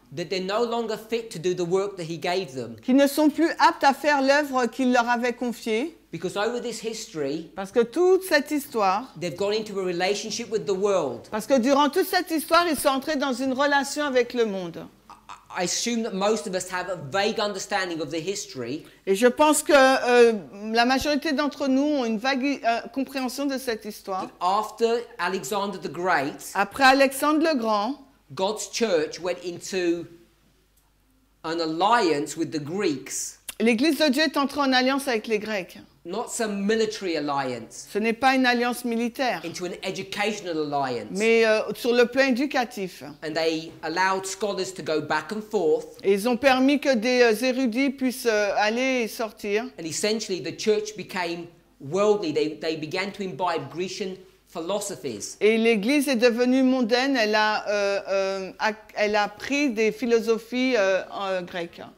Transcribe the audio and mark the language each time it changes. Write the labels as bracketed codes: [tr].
[en] That they're no longer fit to do the work that he gave them. [fr] Qu'ils ne sont plus aptes à faire l'œuvre qu'il leur avait confiée. [en] Because over this history. [fr] Parce que toute cette histoire. [en] They've gone into a relationship with the world. [fr] Parce que durant toute cette histoire, ils sont entrés dans une relation avec le monde. [en] I assume that most of us have a vague understanding of the history. [fr] Et je pense que la majorité d'entre nous ont une vague compréhension de cette histoire. [en] That after Alexander the Great. [fr] Après Alexandre le Grand. [en] God's church went into an alliance with the Greeks. [fr] L'église de Dieu est entrée en alliance avec les Grecs. [en] Not some military alliance. [fr] Ce n'est pas une alliance militaire. [en] Into an educational alliance. [fr] Mais sur le plan éducatif. [en] And they allowed scholars to go back and forth. [fr] Et ils ont permis que des érudits puissent aller et sortir. [en] And essentially the church became worldly. They began to imbibe Grecian philosophies. [fr] Et l'Église est devenue mondaine, elle a pris des philosophies grecques.